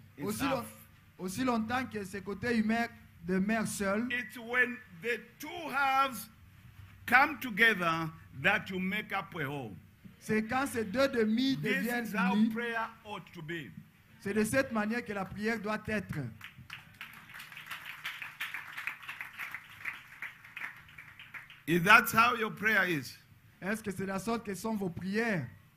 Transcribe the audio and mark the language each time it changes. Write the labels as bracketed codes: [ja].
[fr] aussi longtemps que ce côté humain demeure seul. [en] It's when the two halves come together that you make up a whole. [fr] C'est quand ces deux demi deviennent unis. [en] This is how prayer ought to be. [fr] C'est de cette manière que la prière doit être. [en] Is that how your prayer is? [fr] Est-ce que c'est la sorte que sont vos prières?